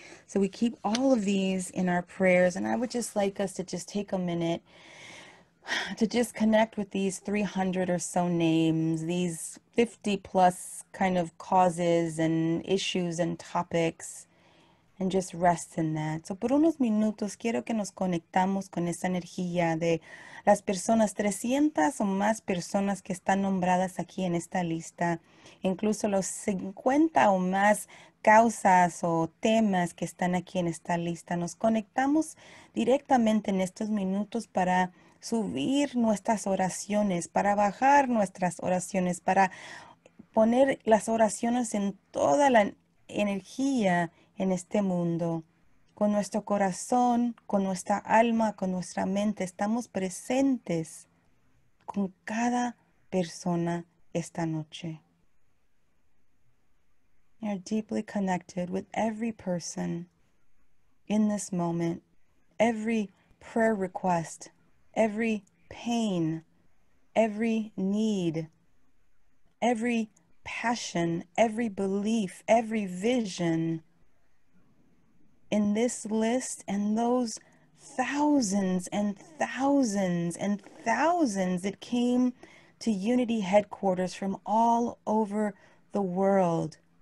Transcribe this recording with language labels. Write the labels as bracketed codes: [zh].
[en] So we keep all of these in our prayers, and I would just like us to just take a minute to just connect with these 300 or so names, these 50 plus kind of causes and issues and topics, and just rest in that. [es] So por unos minutos quiero que nos conectamos con esa energía de las personas, 300 o más personas que están nombradas aquí en esta lista, incluso los 50 o más causas o temas que están aquí en esta lista. Nos conectamos directamente en estos minutos para subir nuestras oraciones, para bajar nuestras oraciones, para poner las oraciones en toda la energía en este mundo. Con nuestro corazón, con nuestra alma, con nuestra mente, estamos presentes con cada persona esta noche. [en] We are deeply connected with every person in this moment, every prayer request, every pain, every need, every passion, every belief, every vision in this list and those thousands and thousands and thousands that came to Unity headquarters from all over the world.